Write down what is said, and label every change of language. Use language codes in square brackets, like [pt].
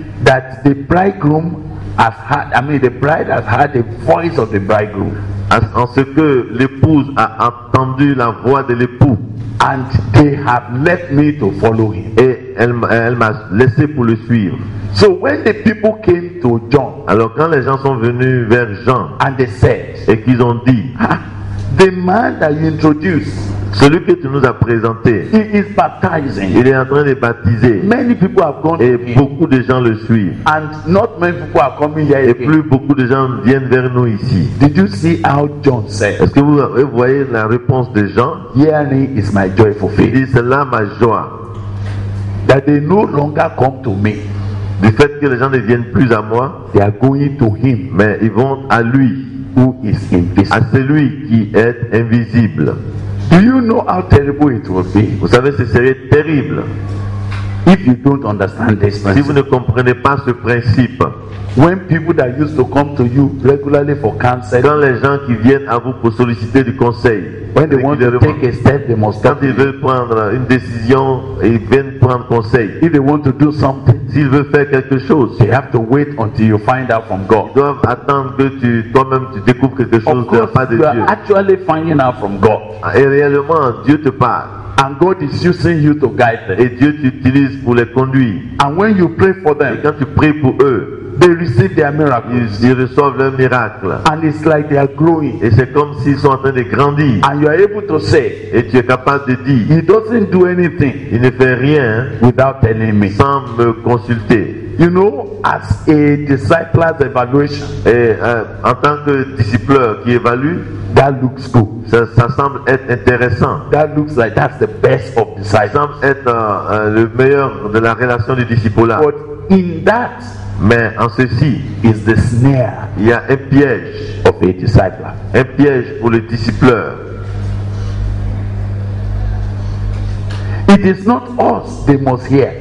[en] That the bridegroom has had, the bride has heard the voice of the bridegroom. [fr] En ce que l'épouse a entendu la voix de l'époux. [en] And they have left me to follow him. [fr] Et elle m'a laissé pour le suivre. [en] So when the people came to John, [fr] alors quand les gens sont venus vers Jean, [en] and they said, [fr] et qu'ils ont dit, [en] the man that you introduced, [fr] celui que tu nous as présenté, [en] he is baptizing. [fr] Il est en train de baptiser. [en] Many people have gone [fr] et beaucoup de gens le suivent. [en] And not many people are coming here. [fr] Et plus beaucoup de gens viennent vers nous ici. [en] Did you see how John said? [fr] Est-ce que vous voyez la réponse de Jean? [en] Hearing is my joy fulfilled. [fr] Il dit, c'est là ma joie. [en] That they no longer come to me. [fr] Du fait que les gens ne viennent plus à moi, [en] they are going to him. [fr] Mais ils vont à lui. [en] Who is invisible? [fr] À celui qui est invisible. [en] Do you know how terrible it will be? [fr] Vous savez, ce serait terrible. [en] If you don't understand this principle, [fr] si vous ne comprenez pas ce principe, [en] when people that used to come to you regularly for counsel, [fr] quand les gens qui viennent à vous pour solliciter du conseil, [en] when they want to take a step, they must [fr] quand ils veulent prendre une décision, ils viennent prendre conseil. [en] If they want to do something, [fr] s'ils veulent faire quelque chose, [en] they have to wait until you find out from God. [fr] Ils doivent attendre que toi-même tu découvres quelque chose de la part de Dieu. [en] Of course, you are actually finding out from God. [fr] Et réellement, Dieu te parle. [en] And God is using you to guide them. [fr] Et Dieu t'utilise pour les conduire. [en] And when you pray for them, [fr] et quand tu pries pour eux, [en] they receive their miracle. [fr] Ils reçoivent leur miracle. [en] And it's like they are growing. [fr] Et c'est comme s'ils sont en train de grandir. [en] And you are able to say, [fr] et tu es capable de dire, [en] he doesn't do anything, [fr] il ne fait rien, [en] without telling me, [fr] sans me consulter. [en] You know, as a disciple's evaluation, [fr] et en tant que discipleur qui évalue, [en] that looks good. [fr] Ça semble être intéressant. [en] That looks like that's the best of disciples. [fr] Ça semble être le meilleur de la relation du discipleur. [en] But in that, [fr] mais en ceci, [en] is the snare. [fr] Il y a un piège [en] of a disciple. [fr] Un piège pour le discipleur. [en] It is not us they must hear.